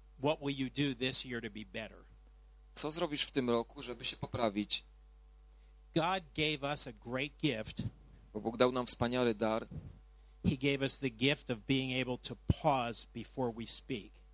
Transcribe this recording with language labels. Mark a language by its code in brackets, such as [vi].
[en] what will you do this year to be better? [pl] Co zrobisz w tym roku, żeby się poprawić? [en] God gave us a great gift. [pl] Bo Bóg dał nam wspaniały dar. [en] He gave us the gift of being able to pause before we speak.